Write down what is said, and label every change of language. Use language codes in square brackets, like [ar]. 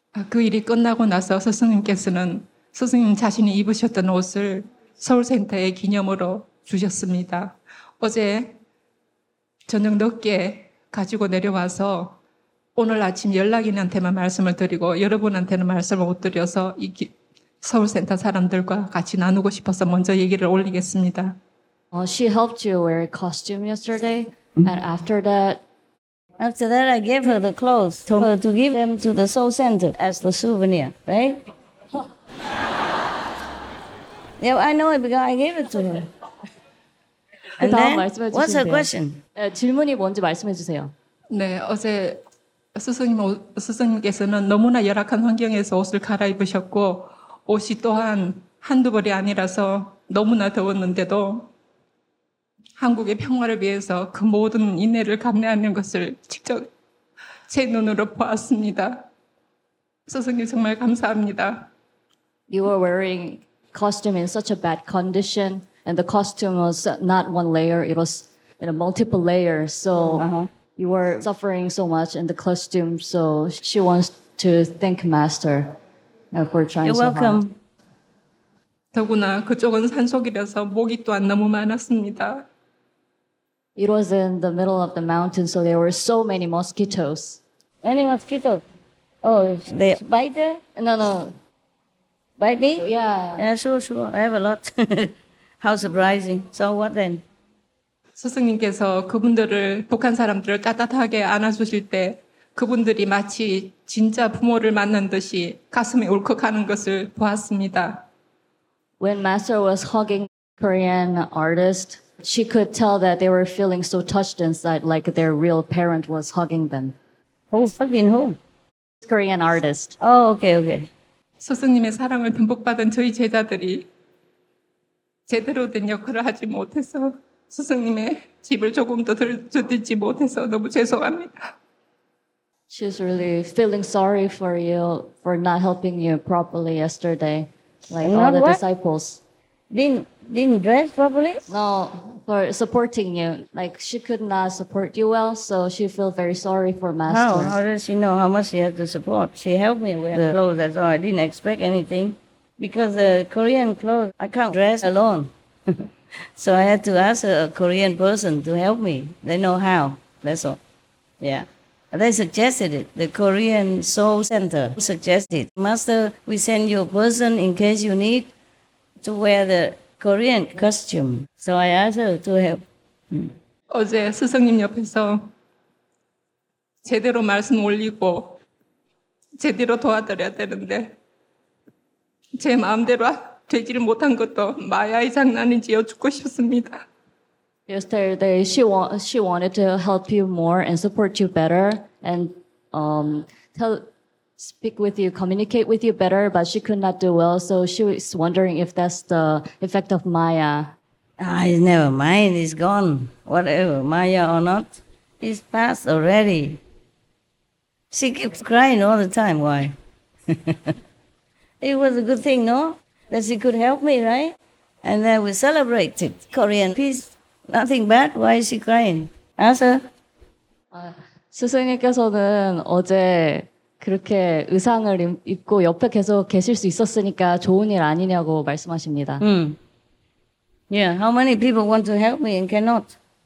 [ko] 그 일이 끝나고 나서 스승님께서는 스승님 자신이 입으셨던 옷을 서울센터에 기념으로 주셨습니다. 어제 저녁 늦게 가지고 내려와서 오늘 아침 연락인한테만 말씀을 드리고 여러분한테는 말씀을 못 드려서 이 서울센터 사람들과 같이 나누고 싶어서 먼저 얘기를 올리겠습니다. [en] She helped you wear a costume yesterday, and after that, after that, I gave her the clothes, told her to give them to the soul center as the souvenir, right? Yeah, I know it because I gave it to her. And then, [ko] 말씀해 주세요. [en] What's her question? [ko] 질문이 뭔지 말씀해 주세요. 네, 어제 스승님께서는 너무나 열악한 환경에서 옷을 갈아입으셨고 옷이 또한 한두 벌이 아니라서 너무나 더웠는데도 한국의 평화를 위해서 그 모든 인내를 감내하는 것을 직접 제 눈으로 보았습니다. 스승님 정말 감사합니다. [en] You were wearing costume in such a bad condition, and the costume was not one layer, it was in a multiple layer. So you were suffering so much in the costume, so she wants to thank Master for trying You're so welcome. Hard. [ko] 더구나 그쪽은 산속이라서 모기 또한 너무 많았습니다. [en] It was in the middle of the mountain, so there were so many mosquitoes. Any mosquitoes? Oh, they bite there? No, no. Bite me? Yeah. Yeah, sure, sure. I have a lot. How surprising. So what then? [ko] 스승님께서 그분들을, 북한 사람들을 따뜻하게 안아주실 때 그분들이 마치 진짜 부모를 만난 듯이 가슴이 울컥하는 것을 보았습니다. [en] When Master was hugging Korean artist, she could tell that they were feeling so touched inside, like their real parent was hugging them. Who's hugging who? Korean artist. Oh, okay, okay. [ko] 스승님의 사랑을 듬뿍 받은 저희 제자들이 제대로 된 역할을 하지 못해서 스승님의 집을 조금도 들지 못해서 너무 죄송합니다. [en] She's really feeling sorry for you for not helping you properly yesterday, like not all the what? Disciples. Didn't dress properly? No, for supporting you. Like, she could not support you well, so she felt very sorry for Master. How does she know how much she had to support? She helped me wear the clothes, that's all. I didn't expect anything. Because the Korean clothes, I can't dress alone. So I had to ask a Korean person to help me. They know how, that's all. Yeah. They suggested it. The Korean Soul Center suggested. Master, we send you a person in case you need. to wear the Korean costume. So I asked her to help. [ko] 어제 스승님 옆에서 제대로 말씀 올리고 제대로 도와드려야 되는데 제 마음대로 되질 못한 것도 마야의 장난인지여 죽고 싶습니다. [en] Yesterday, she wanted to help you more and support you better and speak with you, communicate with you better, but she could not do well, so she was wondering if that's the effect of Maya. It's never mind, it's gone. Whatever, Maya or not, it's passed already. She keeps crying all the time, why? It was a good thing, no? That she could help me, right? And then we celebrated Korean peace. Nothing bad? Why is she crying? Answer. [ko] 스승님께서는 어제 그렇게 의상을 입고 옆에 계속 계실 수 있었으니까 좋은 일 아니냐고 말씀하십니다. [en] Yeah, how many people want to help me and cannot?